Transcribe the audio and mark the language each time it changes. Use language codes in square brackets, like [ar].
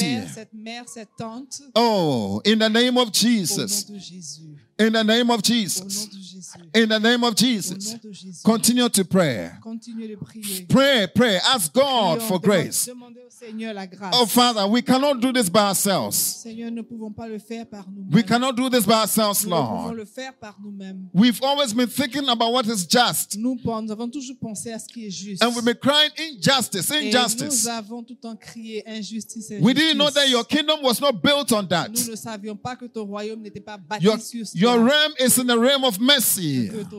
[fr] Père, cette mère, cette tante. [en] Oh, in the name of Jesus. [fr] Au nom de Jésus. [en] In the name of Jesus. [fr] Au nom de Jésus. [en] In the name of Jesus. [fr] Au nom de Jésus. [en] Continue to pray. [fr] Continue de prier. [en] Pray, pray. Ask God for grace. [fr] Demandez au Seigneur la grâce. [en] Oh, Father, we cannot do this by ourselves. [fr] Seigneur, nous pouvons pas le faire par nous-mêmes. [en] We cannot do this by ourselves, Lord. [fr] Nous pouvons le faire par nous-mêmes. [en] We've always been thinking about what is just. [fr] Nous avons toujours pensé à ce qui est juste. [en] And we've been crying injustice, injustice. [fr] Et nous avons tout en crié injustice, injustice. [en] We didn't know that your kingdom was not built on that. [fr] Nous ne savions pas que ton royaume n'était pas bâti sur ça. [en] Your realm is in the realm of mercy.